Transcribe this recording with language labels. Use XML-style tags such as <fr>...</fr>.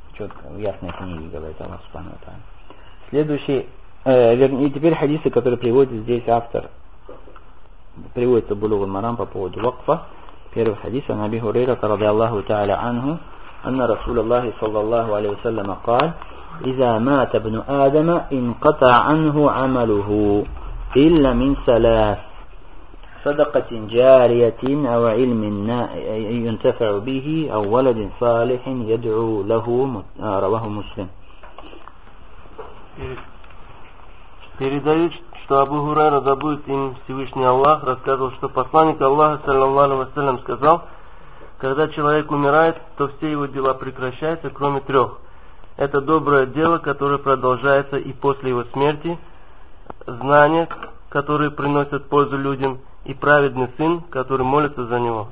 <ru>Четко, в ясной книге, говорит Аллах Субхана ва Тааля. Следующий, и теперь хадисы, которые приводит здесь автор. Приводится Булугу Марам по поводу вакфа. Первый хадис на Аби Хурейрата</ru> <ar>ради Аллаху Тааля Ангу. Анна Расул Аллахи Саллаллаху Алейху Саляма Кааль. إذا مات ابن آدم انقطع عنه عمله إلا من ثلاث صدقة جارية أو علم ينتفع به أو ولد صالح يدعو له رواه مسلم.</ar> <ru>Передают, что Абу Хурайра, да будет им Всевышний Аллах, рассказывал, что посланник Аллаха, саллаллаху алейхи ва саллям, сказал: когда человек умирает, то все его дела прекращаются, кроме трех. Это доброе дело, которое продолжается и после его смерти, знания, которые приносят пользу людям, и праведный сын, который молится за него.</ru>